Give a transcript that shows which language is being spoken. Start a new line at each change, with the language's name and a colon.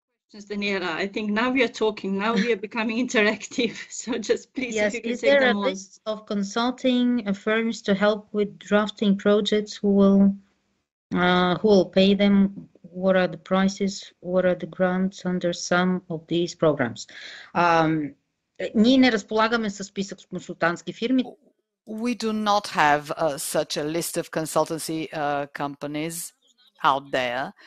English: Just Daniela, I think now we are talking. Now we are becoming interactive. So just please, yes, if you can say more. Is there a list of consulting firms to help with drafting projects? Who will pay them? What are the prices? What are the grants under some of these programs?
Bulgarian: Ние не разполагаме със списък с консултантски фирми.
English: We do not have such a list of consultancy companies out there.